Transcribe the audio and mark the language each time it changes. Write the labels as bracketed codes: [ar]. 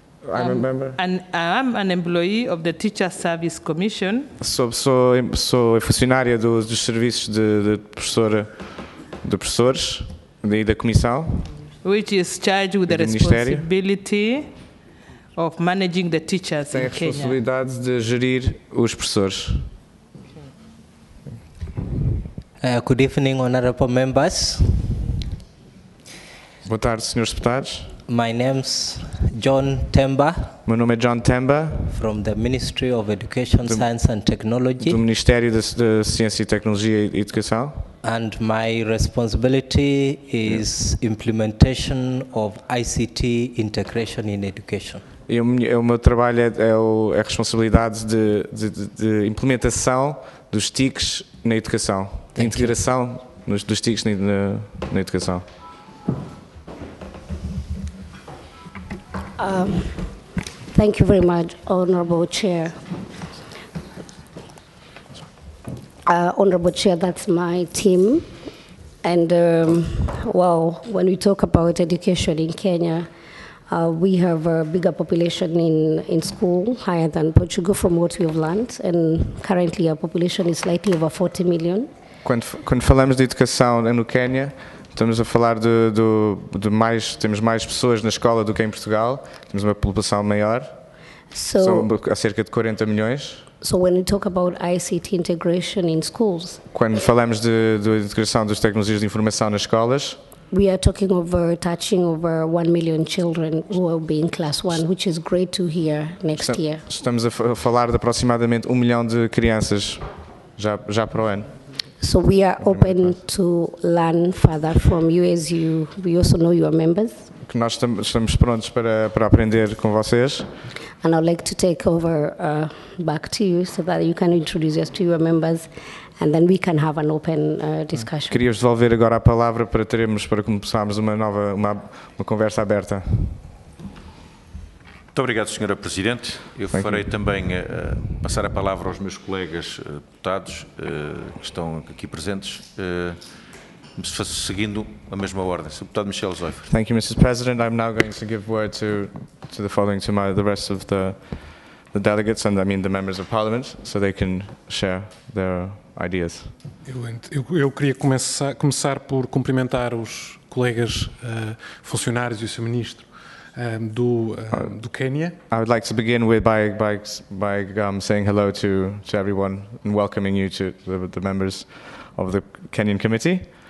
[en] I'm an employee of the Teacher Service Commission. [pt] Sou funcionária dos serviços de professores e da comissão. [en] Which is charged with the responsibility of managing the teachers in Kenya. [pt] Tem a responsabilidade de gerir os professores. [en] Good evening, honorable members. [pt] Boa tarde, senhores deputados. [en] My name's John Temba. [pt] Meu nome é John Temba. [en] From the Ministry of Education, Science and Technology. [pt] Do Ministério da Ciência e Tecnologia e Educação. [en] And my responsibility is implementation of ICT integration in education. [pt] E o meu trabalho é a responsabilidade de implementação dos TICs na educação. [en] Thank [pt] integração [en] you. [pt] Dos TICs na educação. [en] Thank you very much, Honorable Chair. Honorable Chair, that's my team. And well, when we talk about education in Kenya, we have a bigger population in school, higher than Portugal from what we have learned. And currently our population is slightly over 40 million. [pt] Quando falamos de educação no Quénia, estamos a falar de mais, temos mais pessoas na escola do que em Portugal, temos uma população maior, há cerca de 40 milhões. [en] So when we talk about ICT integration in schools, [pt] quando falamos de integração das tecnologias de informação nas escolas, [en] we are talking over touching over 1 million children who will be in class 1, which is great to hear next year. [pt] Estamos a falar de aproximadamente 1 milhão de crianças já para o ano. [en] So we are open to learn further from you, as you, we also know you are members. [pt] Que nós estamos prontos para aprender com vocês. [en] And I'd like to take over back to you so that you can introduce us to your members and then we can have an open discussion. [pt] Queria devolver agora a palavra para começarmos uma conversa aberta. Muito obrigado, Senhora Presidente. Eu farei também passar a palavra aos meus colegas deputados que estão aqui presentes, seguindo a mesma ordem. Sr. Deputado Michel Zoifer. [en] Thank you, Mrs. President. I'm now going to give word to the following, to my, the rest of the delegates, and I mean the members of Parliament, so they can share their ideas. [pt] Eu queria começar por cumprimentar os colegas funcionários e o Sr. Ministro. Do Quénia. [en] I would like to begin with by saying hello to everyone and welcoming you to the members of the Kenyan Committee.